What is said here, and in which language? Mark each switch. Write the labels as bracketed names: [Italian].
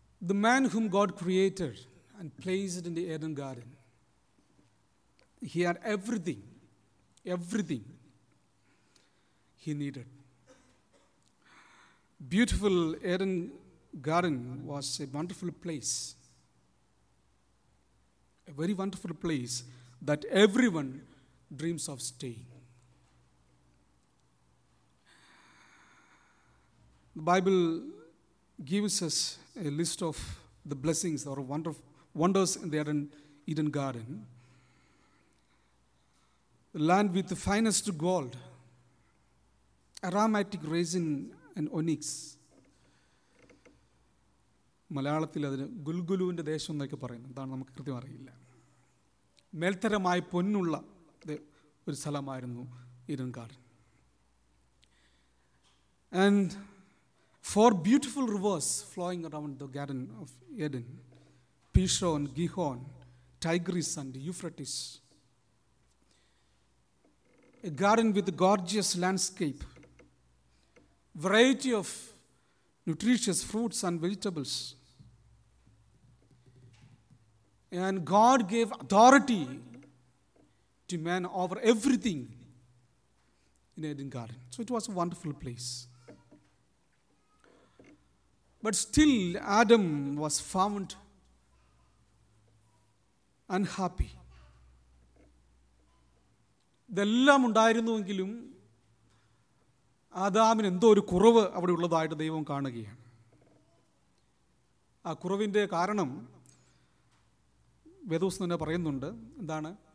[English] The man whom God created and placed in the Eden garden, he had everything, everything he needed. Beautiful Eden garden was a wonderful place, a very wonderful place that everyone dreams of staying. The Bible gives us a list of the blessings or wonders in the Eden garden. Land with the finest gold, aromatic resin and onyx. [Malayalam] മലയാളത്തിൽ അതിന് ഗുൽഗുലുവിൻ്റെ ദേശം എന്നൊക്കെ പറയുന്നു, അതാണ് നമുക്ക് കൃത്യം അറിയില്ല. മേൽത്തരമായ പൊന്നുള്ള ഒരു സ്ഥലമായിരുന്നു Eden garden. [English] And four beautiful rivers flowing around the garden of Eden, Pishon, Gihon, Tigris and Euphrates. A garden with a gorgeous landscape, variety of nutritious fruits and vegetables. And God gave authority to man over everything in Eden Garden. So it was a wonderful place. But still Adam was found unhappy. [Malayalam] ഇതെല്ലാം ഉണ്ടായിരുന്നുവെങ്കിലും ആദാമിന് എന്തോ ഒരു കുറവ് അവിടെ ഉള്ളതായിട്ട് ദൈവം കാണുകയാണ്. ആ കുറവിൻ്റെ കാരണം വേദവസ്തു തന്നെ പറയുന്നുണ്ട്. എന്താണ്?